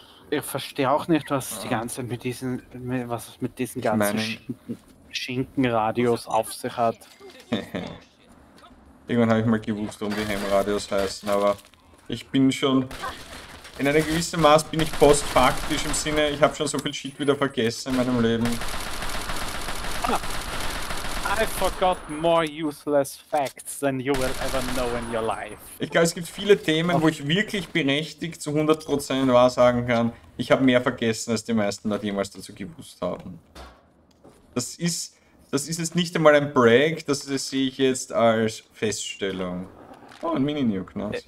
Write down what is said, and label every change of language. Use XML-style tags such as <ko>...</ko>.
<de>Ich verstehe auch nicht, was die ganze mit diesen, was es mit diesen ganzen Schinkenradios auf sich hat. Irgendwann habe ich mal gewusst, warum die Hemradios heißen, aber ich bin schon in einem gewissen Maß bin ich postfaktisch im Sinne, ich habe schon so viel Shit wieder vergessen in meinem Leben.</de> <en>I forgot more useless facts than you will ever know in your life.</en> <de>Ich glaube, es gibt viele Themen, wo ich wirklich berechtigt zu 100% wahr sagen kann, ich habe mehr vergessen, als die meisten Leute jemals dazu gewusst haben. Das ist jetzt nicht einmal ein Break, das sehe ich jetzt als Feststellung. Oh, ein Mini-Nuke, ne?</de>